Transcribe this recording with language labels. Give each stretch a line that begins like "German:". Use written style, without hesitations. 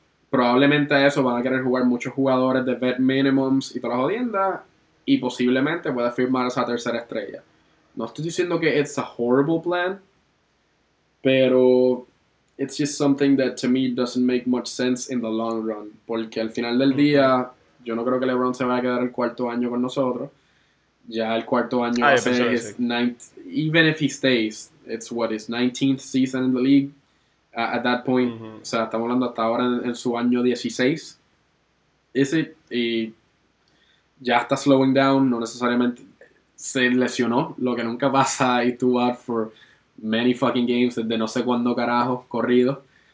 Spanish: Probablemente a eso van a querer jugar muchos jugadores de vet minimums y toda la jodienda. Y posiblemente pueda firmar esa tercera estrella. No estoy diciendo que
English: it's a horrible plan, pero it's just something that to me doesn't make much sense in the long run.
Spanish: Porque al final del día, yo no creo que LeBron se vaya a quedar el cuarto año con nosotros. Ya el cuarto año va a ser
English: his ninth, even if he stays, it's what, his 19th season in the league. At that point, mm-hmm.
Spanish: o sea, estamos hablando hasta ahora en su año 16.
English: Is it?
Spanish: Y ya está slowing down, no necesariamente se lesionó, lo que nunca pasa, y tú vas for many fucking games desde no sé cuándo carajo corrido.